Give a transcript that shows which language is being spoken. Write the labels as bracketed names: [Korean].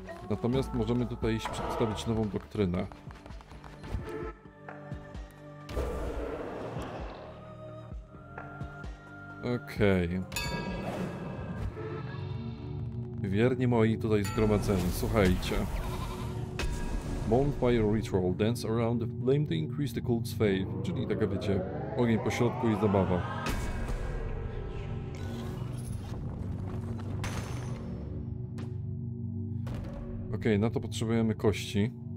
[Polish] Natomiast możemy tutaj iść przedstawić nową doktrynę. Okej. Wierni moi tutaj zgromadzeni, słuchajcie. [English] Bonfire Ritual. Dance around the flame to increase the cult's faith. [Polish] Czyli taka, wiecie, ogień po środku i zabawa. Okej, na to potrzebujemy kości.